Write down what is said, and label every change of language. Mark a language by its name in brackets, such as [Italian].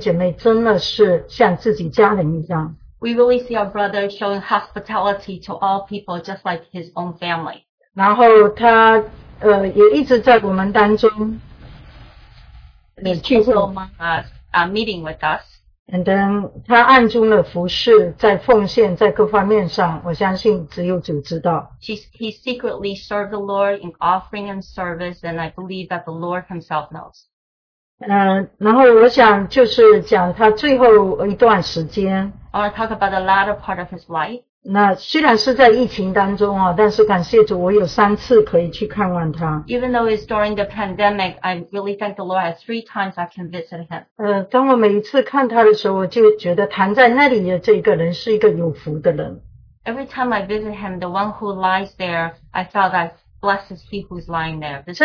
[Chinese] 所以我们就真的看见弟兄对于接待弟兄姐妹真的是像自己家人一样。 [English] We really see our brother showing hospitality to all people just like his own family. [Chinese] 然后他也一直在我们当中 [English] meeting with us. And then [Chinese] 他暗中的服侍在奉献在各方面上我相信只有主知道。 [English] He secretly served the Lord in offering and service and I believe that the Lord himself knows. [Chinese] 然后我想就是讲他最后一段时间 [English] I want to talk about the latter part of his life. [Chinese] 那虽然是在疫情当中啊，但是感谢主，我有三次可以去看望他。 [English] Even though it's during the pandemic, I really thank the Lord. I have three times I can visit him. [Chinese] 当我每一次看他的时候，我就觉得躺在那里的这个人是一个有福的人。 [English] Every time I visit him, the one who lies there, I felt that blessed is he who's lying there.